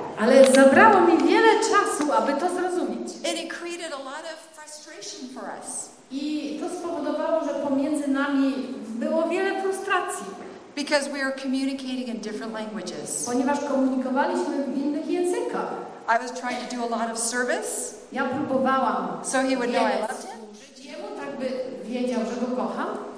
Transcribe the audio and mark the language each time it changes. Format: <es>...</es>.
<pl>Ale zabrało mi wiele czasu, aby to zrozumieć.</pl> <en>And it created a lot of frustration for us.</en> <pl>I to spowodowało, że pomiędzy nami było wiele frustracji.</pl> <en>Because we are communicating in different languages.</en> <pl>Ponieważ komunikowaliśmy w innych językach.</pl> <en>I was trying to do a lot of service.</en> <pl>Ja próbowałam.</pl> <en>So he would know I loved him.</en> <pl>Służyć jemu, tak by wiedział, że go kocham.</pl>